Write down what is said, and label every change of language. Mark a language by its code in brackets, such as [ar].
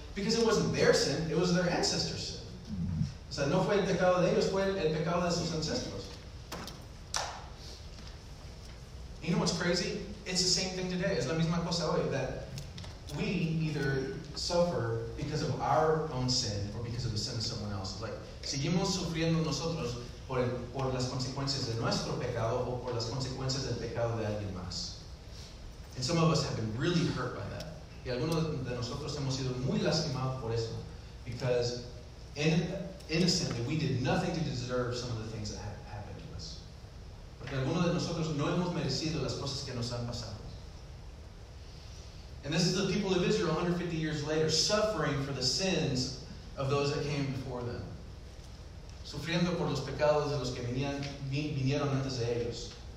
[en] Because it wasn't their sin, it was their ancestors' sin. [es] O sea, no fue el pecado de ellos, fue el pecado de sus ancestros. [en] You know what's crazy? It's the same thing today. [es] Es la misma cosa hoy, [en] that we either suffer because of our own sin or because of the sin of someone else. [es] Like, seguimos sufriendo nosotros por las consecuencias de nuestro pecado o por las consecuencias del pecado de alguien más. [en] And some of us have been really hurt by that. [es] Y algunos de nosotros hemos sido muy lastimados por eso. [en] Because, innocently, we did nothing to deserve some of the things that have happened to us. [es] Porque algunos de nosotros no hemos merecido las cosas que nos han pasado. [en] And this is the people of Israel 150 years later suffering for the sins of those that came before them. [es] Sufriendo por los pecados de los que vinieron antes de ellos.